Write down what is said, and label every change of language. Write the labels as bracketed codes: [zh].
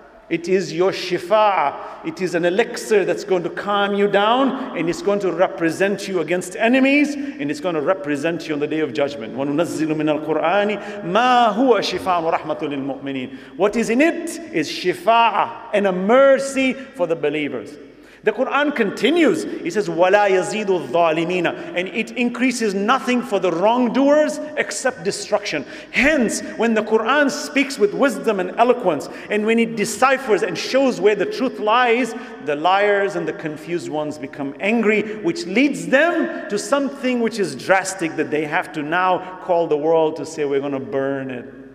[en] It is your shifa'ah. It is an elixir that's going to calm you down, and it's going to represent you against enemies, and it's going to represent you on the day of judgment. [ar] وَنُنَزِّلُ مِنَ الْقُرْآنِ مَا هُوَ شِفَاءٌ وَرَحْمَةٌ لِلْمُؤْمِنِينَ. [en] What is in it is shifa'ah and a mercy for the believers. The Quran continues. [ar] It says, وَلَا يَزِيدُ الظَّالِمِينَ. [en] And it increases nothing for the wrongdoers except destruction. Hence, when the Quran speaks with wisdom and eloquence, and when it deciphers and shows where the truth lies, the liars and the confused ones become angry, which leads them to something which is drastic, that they have to now call the world to say, we're going to burn it.